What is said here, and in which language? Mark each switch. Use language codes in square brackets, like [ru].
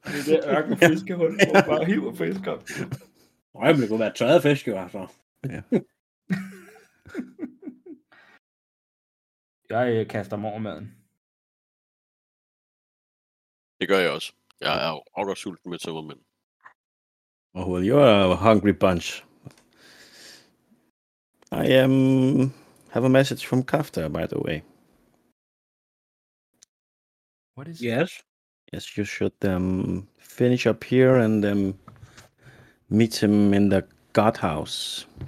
[en] I'm going to go back try the fish, you after. Yeah. [da] Jeg kaster mig over maden. Det gør jeg også. Jeg er også sulten med tømmermænd. [en] Oh, well, you're a hungry bunch. I have a message from Kafta, by the way. What is yes? Yes, you should finish up here and meet him in the guardhouse.